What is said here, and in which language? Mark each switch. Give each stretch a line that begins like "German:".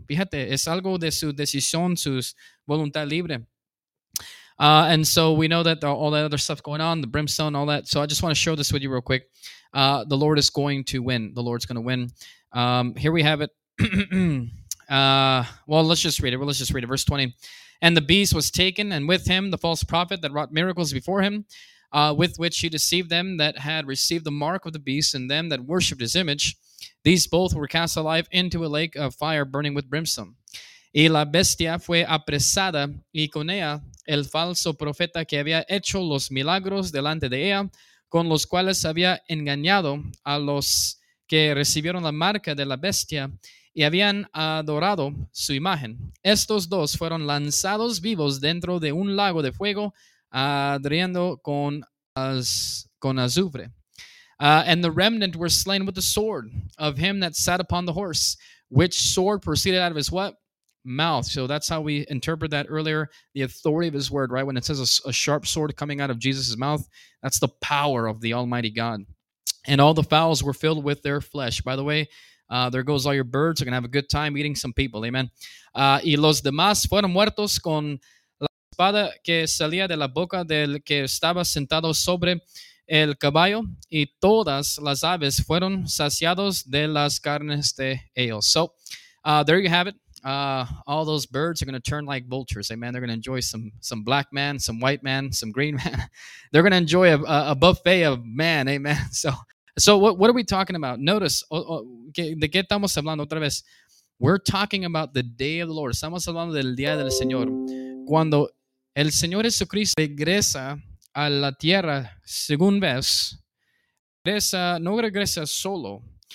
Spanish: Fíjate, es algo de su decisión, su voluntad libre.
English: And so we know that all that other stuff going on, the brimstone, all that. So I just want to show this with you real quick. The Lord is going to win. The Lord's going to win. Here we have it. let's just read it. Let's just read it. Verse 20. And the beast was taken, and with him the false prophet that wrought miracles before him, with which he deceived them that had received the mark of the beast and them that worshipped his image. These both were cast alive into a lake of fire burning with brimstone.
Spanish: Y la bestia fue apresada, y con ella el falso profeta que había hecho los milagros delante de ella, con los cuales había engañado a los que recibieron la marca de la bestia y habían adorado su imagen. Estos dos fueron lanzados vivos dentro de un lago de fuego, ardiendo con azufre.
English: And the remnant were slain with the sword of him that sat upon the horse, which sword proceeded out of his what? Mouth. So that's how we interpret that earlier, the authority of his word, right? When it says a sharp sword coming out of Jesus' mouth, that's the power of the Almighty God. And all the fowls were filled with their flesh. By the way, there goes all your birds. Are going to have a good time eating some people. Amen.
Spanish: Y los demás fueron muertos con la espada que salía de la boca del que estaba sentado sobre el caballo, y todas las aves fueron saciados de las carnes de ellos.
English: So there you have it. All those birds are going to turn like vultures. Amen. They're going to enjoy some black man, some white man, some green man. They're going to enjoy a buffet of man. Amen. So what are we talking about?
Spanish: Notice, ¿de qué estamos hablando otra vez?
English: We're talking about the day of the Lord.
Spanish: Estamos hablando del día del Señor. Cuando el Señor Jesucristo regresa a la tierra, según ves, no regresa solo.